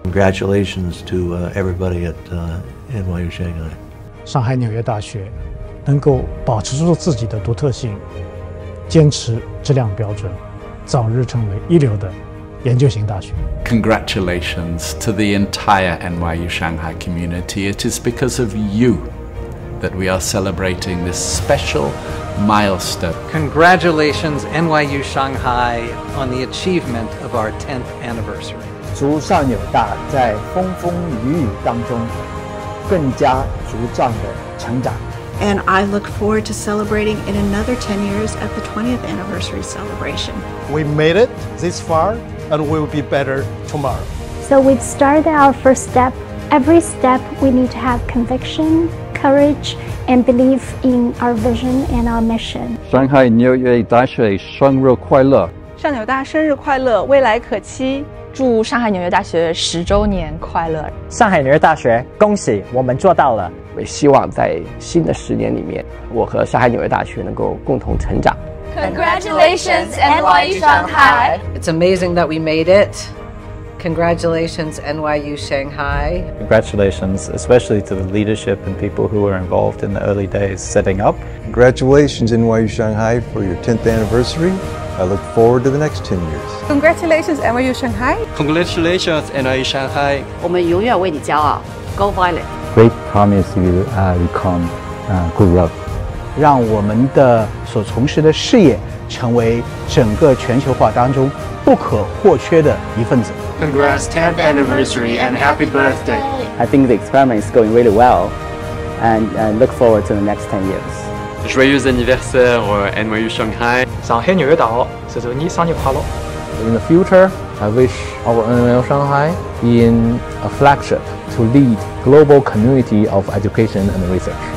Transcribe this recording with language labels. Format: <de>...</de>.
<en>Congratulations to everybody at NYU Shanghai.</en> <zh>上海纽约大学能够保持住自己的独特性，坚持质量标准，早日成为一流的研究型大学。</zh> <en>Congratulations to the entire NYU Shanghai community. It is because of you that we are celebrating this special milestone. Congratulations, NYU Shanghai, on the achievement of our 10th anniversary.</en> <zh>祝上纽大在风风雨雨当中更加茁壮的成长。</zh> <en>And I look forward to celebrating in another 10 years at the 20th anniversary celebration. We made it this far, and we'll be better tomorrow. So we've started our first step. Every step, we need to have conviction, courage, and belief in our vision and our mission.</en> <zh>上海纽约大学生日快乐！上纽大生日快乐，未来可期！祝上海纽约大学十周年快乐！上海纽约大学，恭喜我们做到了！我希望在新的十年里面，我和上海纽约大学能够共同成长。</zh> <en>Congratulations, NYU Shanghai! It's amazing that we made it. Congratulations, NYU Shanghai. Congratulations, especially to the leadership and people who were involved in the early days setting up. Congratulations, NYU Shanghai, for your 10th anniversary. I look forward to the next 10 years. Congratulations, NYU Shanghai. Congratulations, NYU Shanghai.</en> <zh>我们永远为你骄傲。</zh> <en>Go Violet. Great promise you become good luck.</en> <zh>让我们的所从事的事业成为整个全球化当中不可或缺的一份子。</zh> <en>Congrats, 10th anniversary, and happy birthday. I think the experiment is going really well. and look forward to the next 10 years.</en> <fr>Joyeux anniversaire, NYU Shanghai.</fr> <zh>Shanghai 纽约大学，祝你生日快乐。</zh> <en>In the future, I wish our NYU Shanghai being a flagship to lead global community of education and research.</en>